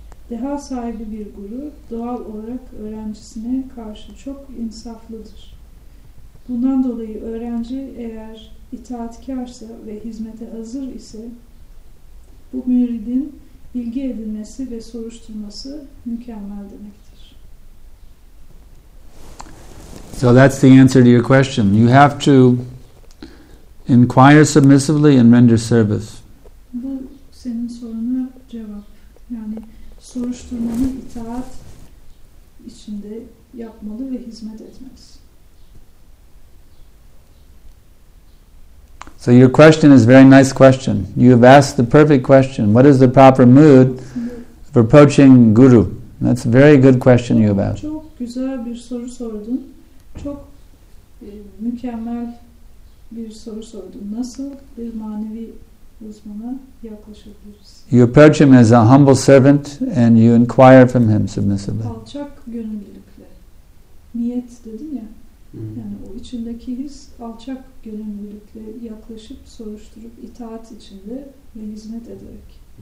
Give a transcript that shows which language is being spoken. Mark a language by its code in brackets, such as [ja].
[tr] Deha sahibi bir guru doğal olarak öğrencisine karşı çok insaflıdır. Bundan dolayı öğrenci eğer itaatkarsa ve hizmete hazır ise bu müridin bilgi edinmesi ve soruşturması mükemmel demektir. [en] So that's the answer to your question. You have to inquire submissively and render service. [tr] Bu senin soruna cevap. Yani soruşturmanı itaat içinde yapmalı ve hizmet etmez. [en] So your question is a very nice question. You have asked the perfect question. What is the proper mood of approaching Guru? That's a very good question you have asked. [tr] Çok güzel bir soru sordun. Çok mükemmel bir soru sordun. Nasıl bir manevi uzmana yaklaşabiliriz? [en] You approach him as a humble servant and you inquire from him submissively. [tr] Alçak gönüllülükle. Niyet dedin ya. Yani o içindeki his alçak gönüllülükle yaklaşıp soruşturup itaat içinde ve hizmet ederek.